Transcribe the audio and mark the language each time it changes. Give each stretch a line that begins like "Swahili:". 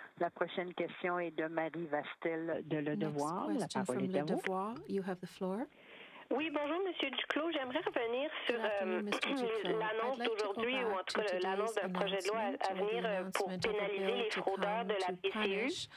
French: La prochaine question est de Marie Vastel de Le Devoir.
English: Next question from Le Devoir. You have the floor.
French: Oui, bonjour, Monsieur Duclos. J'aimerais revenir sur l'annonce d'aujourd'hui, ou en tout cas l'annonce d'un projet de loi à venir pour pénaliser les fraudeurs de la PCU.